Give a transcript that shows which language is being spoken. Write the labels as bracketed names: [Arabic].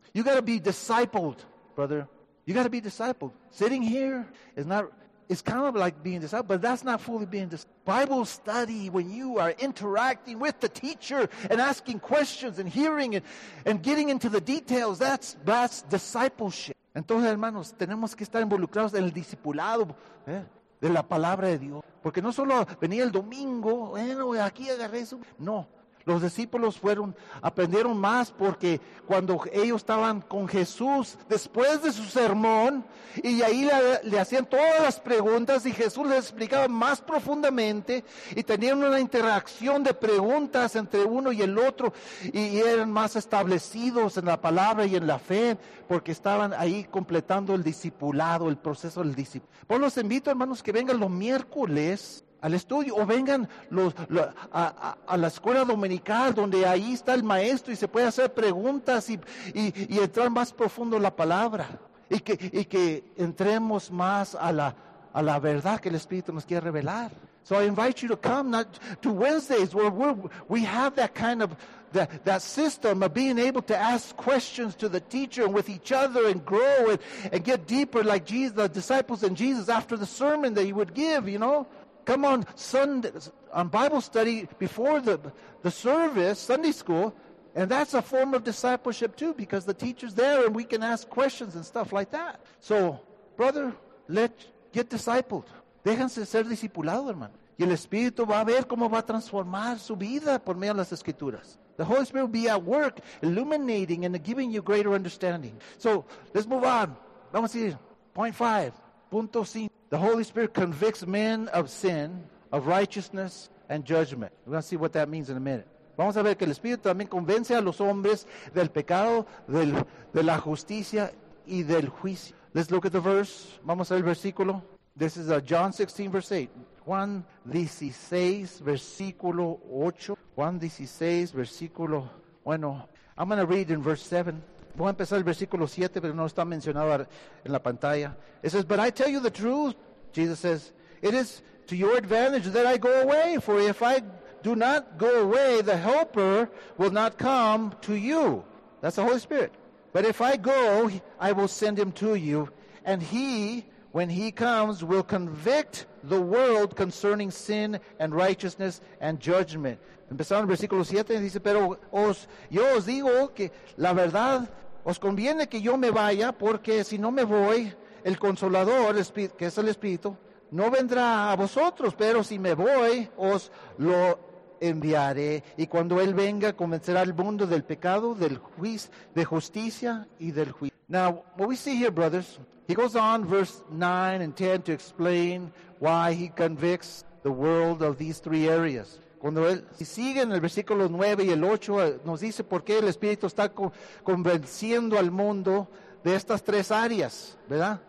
[English] You gotta be discipled, brother. You gotta be discipled. Sitting here is not, it's kind of like being discipled, but that's not fully being discipled. Bible study, when you are interacting with the teacher and asking questions and hearing it and getting into the details, that's discipleship. [Spanish] Entonces, hermanos, tenemos que estar involucrados en el discipulado de la palabra de Dios. Porque no solo venía el domingo, bueno, aquí agarré eso. No, los discípulos aprendieron más porque cuando ellos estaban con Jesús después de su sermón y ahí le hacían todas las preguntas y Jesús les explicaba más profundamente y tenían una interacción de preguntas entre uno y el otro y eran más establecidos en la palabra y en la fe porque estaban ahí completando el discipulado, el proceso del discipulado. Pues los invito, hermanos, que vengan los miércoles al estudio, o vengan a la escuela dominical, donde ahí está el maestro y se puede hacer preguntas y entrar más profundo la palabra. Y que entremos más a la verdad que el Espíritu nos quiere revelar. [English] So I invite you to come not to Wednesdays, where we have that kind of that system of being able to ask questions to the teacher and with each other and grow and get deeper like Jesus, the disciples and Jesus after the sermon that he would give, you know. Come on Sunday, on Bible study before the service, Sunday school, and that's a form of discipleship too, because the teacher's there and we can ask questions and stuff like that. So, brother, get discipled. [Spanish] Déjense ser discipulado, hermano. Y el Espíritu va a ver cómo va a transformar su vida por medio de las Escrituras. [English] The Holy Spirit will be at work, illuminating and giving you greater understanding. So, let's move on. [Spanish] Vamos a seguir. [English] Point five. [Spanish] Punto cinco. [English] The Holy Spirit convicts men of sin, of righteousness, and judgment. We're going to see what that means in a minute. [Spanish] Vamos a ver que el Espíritu también convence a los hombres del pecado, de la justicia, y del juicio. [English] Let's look at the verse. [Spanish] Vamos a ver el versículo. [English] This is John 16, verse 8. [Spanish] Juan 16, versículo 8. Juan 16, versículo, bueno, [English] I'm going to read in verse 7. [Spanish] Voy a empezar el versículo 7, pero no está mencionado en la pantalla. [English] It says, but I tell you the truth, Jesus says, it is to your advantage that I go away, for if I do not go away, the Helper will not come to you. That's the Holy Spirit. But if I go, I will send him to you, and he, when he comes, will convict the world concerning sin and righteousness and judgment. [Spanish] Empezando en el versículo 7, dice, pero yo os digo que la verdad, os conviene que yo me vaya, porque si no me voy, el Consolador, que es el Espíritu, no vendrá a vosotros, pero si me voy, os lo enviaré. Y cuando Él venga, convencerá al mundo del pecado, del juicio, de justicia y del juicio. [English] Now, what we see here, brothers, he goes on verse 9 and 10 to explain why he convicts the world of these three areas. [Spanish] Cuando él sigue en el versículo 9 y el 8, nos dice por qué el Espíritu está convenciendo al mundo de estas tres áreas, ¿verdad?